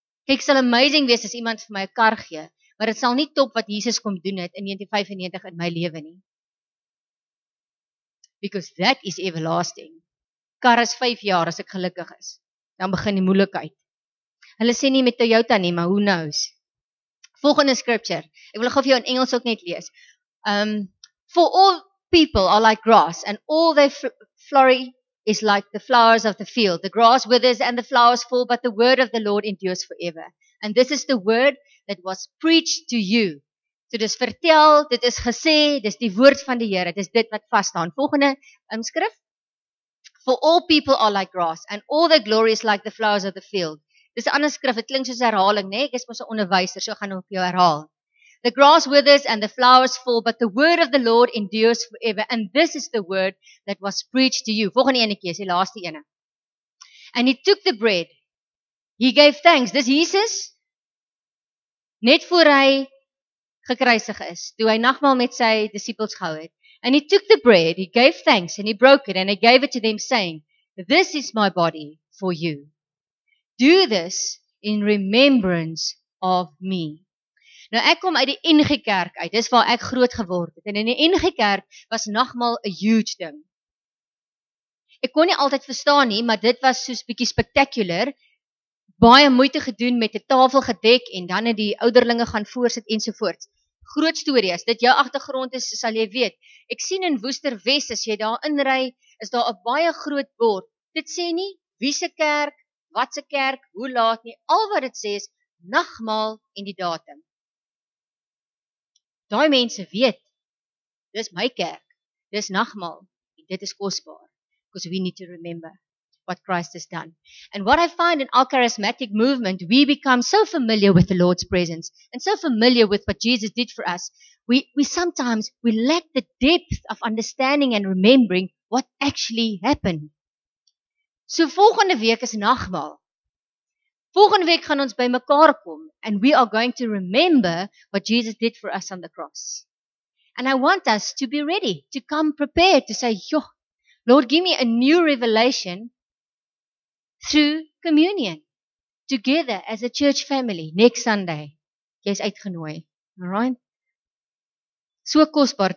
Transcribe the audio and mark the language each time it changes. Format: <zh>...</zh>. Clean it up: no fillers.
<af>Ek sal amazing wees as iemand vir my 'n kar gee, maar dit sal nie top wat Jesus kom doen het in 1995 in my lewe nie.</af> <en>Because that is everlasting.</en> <af>Kar is 5 jaar as ek gelukkig is. Dan begin die moeilikheid. Hulle sê nie met Toyota nie, maar</af> <en>who knows.</en> <af>Volgende scripture. Ek wil gou vir jou in Engels ook net lees.</af> <en>For all people are like grass and all their flurry is like the flowers of the field. The grass withers and the flowers fall, but the word of the Lord endures forever. And this is the word that was preached to you.</en> <af>So dis vertel, dit is gesê, dis die woord van die Here. Dis dit wat vas staan. Volgende skrif.</af> <en>For all people are like grass, and all their glory is like the flowers of the field.</en> <af>Dis 'n ander skrif, dit klink soos 'n herhaling, né? Ek is mos 'n onderwyser, so gaan ek jou herhaal.</af> <en>The grass withers and the flowers fall, but the word of the Lord endures forever. And this is the word that was preached to you.</en> <af>Volgende ene keer, die laaste ene.</af> <en>And he took the bread. He gave thanks.</en> <af>Dis Jesus, net voor hy gekruisig is, toe hy nagmaal met sy disciples gehou het.</af> <en>And he took the bread, he gave thanks, and he broke it, and he gave it to them, saying, this is my body for you. Do this in remembrance of me.</en> <af>Nou ek kom uit die NG Kerk uit, dis waar ek groot geword het. En in die NG Kerk was nagmaal 'n huge ding. Ek kon nie altyd verstaan nie, maar dit was soos bietjie spectacular. Baie moeite gedoen met 'n tafel gedek en dan het die ouderlinge gaan voorsit en so voort. Groot storie, as dit jou agtergrond is, sal jy weet. Ek sien in Woester Wes, as jy daar inry, is daar 'n baie groot bord. Dit sê nie wie se kerk, wat se kerk, hoe laat nie. Al wat dit sê is nagmaal en die datum. Daai mense weet, dis my kerk, dis nagmaal, en dit is kosbaar,</af> <en>because we need to remember what Christ has done. And what I find in our charismatic movement, we become so familiar with the Lord's presence, and so familiar with what Jesus did for us, we sometimes lack the depth of understanding and remembering what actually happened.</en> <af>So volgende week is nagmaal. Volgende week gaan ons by mekaar kom</af> <en>and we are going to remember what Jesus did for us on the cross. And I want us to be ready, to come prepared, to say, "Yo, Lord, give me a new revelation through communion, together as a church family, next Sunday."</en> <af>Jy's uitgenooi.</af> <en>Alright?</en> <af>So kosbaar.</af>